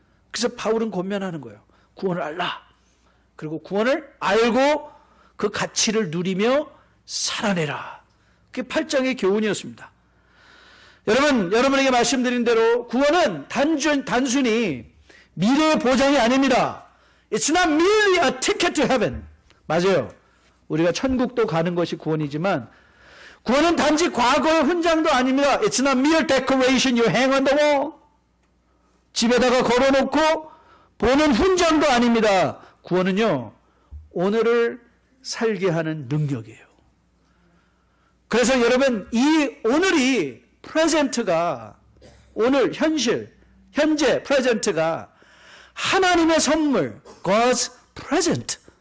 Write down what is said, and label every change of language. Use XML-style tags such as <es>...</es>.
<ko>그래서 바울은 권면하는 거예요. 구원을 알라. 그리고 구원을 알고 그 가치를 누리며 살아내라. 그게 8장의 교훈이었습니다. 여러분, 여러분에게 말씀드린 대로 구원은 단순히 미래의 보장이 아닙니다.</ko> <en>It's not merely a ticket to heaven.</en> <ko>맞아요. 우리가 천국도 가는 것이 구원이지만 구원은 단지 과거의 훈장도 아닙니다.</ko> <en>It's not mere decoration you hang on the wall.</en> <ko>집에다가 걸어놓고 보는 훈장도 아닙니다. 구원은요, 오늘을 살게 하는 능력이에요. 그래서 여러분, 이 오늘이 present가 오늘 현실, 현재 present가 하나님의 선물, God's present.</ko>